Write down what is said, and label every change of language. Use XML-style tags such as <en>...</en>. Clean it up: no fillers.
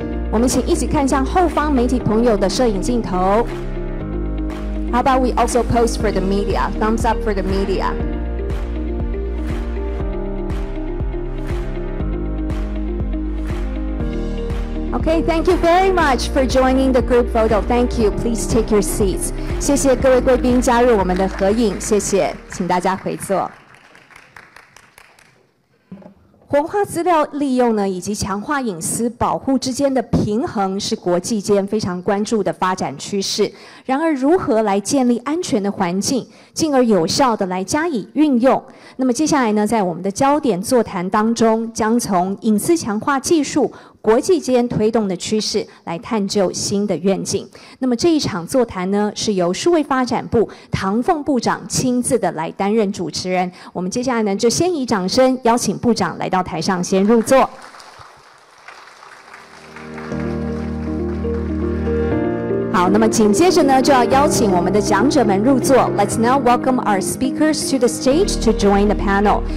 <zh>我们请一起看向后方媒体朋友的摄影镜头</zh> <en>How about we also pose for the media? Thumbs up for the media. Okay, thank you very much for joining the group photo. Thank you. Please take your seats.</en> <zh>谢谢各位贵宾加入我们的合影。谢谢，请大家回座。活化资料利用呢，以及强化隐私保护之间的平衡是国际间非常关注的发展趋势。然而，如何来建立安全的环境，进而有效地来加以运用？那么接下来呢，在我们的焦点座谈当中，将从隐私强化技术国际间推动的趋势来探究新的愿景。那么这一场座谈呢，是由数位发展部唐凤部长亲自的来担任主持人。我们接下来呢，就先以掌声邀请部长来到台上先入座。好，那么紧接着呢，就要邀请我们的讲者们入座。</zh> <en>Let's now welcome our speakers to the stage to join the panel.</en>